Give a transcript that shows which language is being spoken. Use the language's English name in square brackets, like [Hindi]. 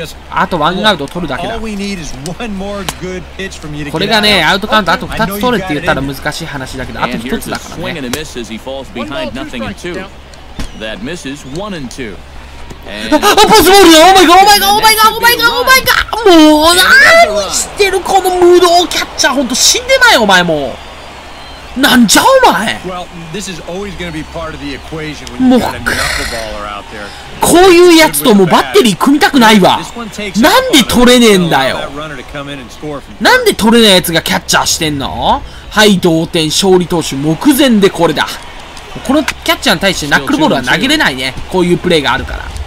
[Japanese] あとワンアウト取るだけだ。これがね、アウトカウントあと2つ取れって言ったら難しい話だけど、あと1つだからね。あ、ポスボールだ。オーマイガー、オーマイガー、オーマイガー、オーマイガー、オーマイガー。もう何してるこの無道キャッチャー。ほんと死んでない、お前もう。なんじゃお前。 [English] Well, this is always going to be part of the equation when you got a knuckleballer out there. [Japanese] こういうやつともうバッテリー組みたくないわ。なんで取れねえんだよ。なんで取れないやつがキャッチャーしてんの？はい、同点、勝利投手目前でこれだ。このキャッチャーに対してナックルボールは投げれないね。こういうプレーがあるから。